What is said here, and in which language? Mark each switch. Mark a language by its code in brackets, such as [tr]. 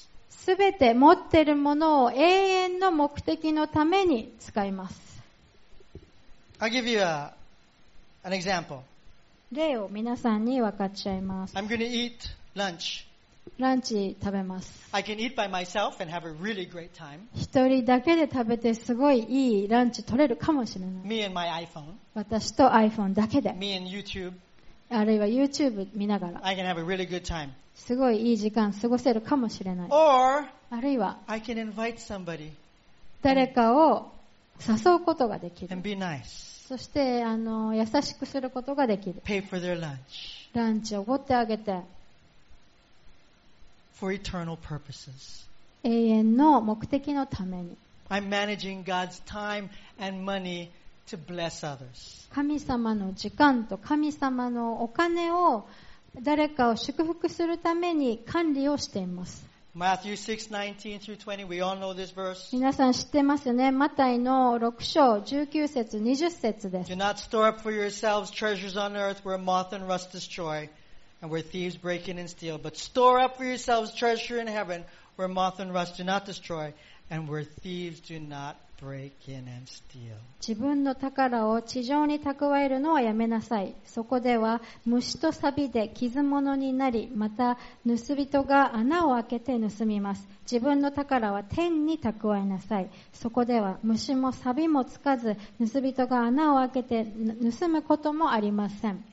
[ja] すべて持っているものを永遠の目的のために使います。 [en] I'll give you an example. [ja] 例を皆さんに分かっちゃいます。 [en] I'm going to eat lunch. [ja] ランチ食べます。 [en] I can eat by myself and have a really great time. [ja] 一人だけで食べてすごいいいランチ取れるかもしれない。 [en] Me and my iPhone. [ja] 私と iPhone だけで。 [en] Me and YouTube. [ja] あるいは YouTube 見ながら。 [en] I can have a really good time. [ja] すごいいい時間過ごせるかもしれない。 [en] Or, [ja] あるいは、 [en] I can invite somebody. [ja] 誰かを誘うことができる。 [en] And be nice. [ja] そして優しくすることができる。 [en] Pay for their lunch. [ja] ランチをおごってあげて。 [en] For eternal purposes. [ja] 永遠の目的のために。 [en] I'm managing God's time and money to bless others. [ja] 神様の時間と神様のお金を誰かを祝福するために管理をしています。 [en] Matthew 6:19 through 20, we all know this verse. [ja] 皆さん知ってますよね。マタイの6章19節20節です。 [en] Do not store up for yourselves treasures on earth where moth and rust destroy. And where thieves break in and steal, but store up for yourselves treasure in heaven, where moth and rust do not destroy, and where thieves do not break in and steal. [ja] 自分の宝を地上に蓄えるのはやめなさい。そこでは虫と錆で傷物になり、また盗人が穴を開けて盗みます。自分の宝は天に蓄えなさい。そこでは虫も錆もつかず、盗人が穴を開けて盗むこともありません。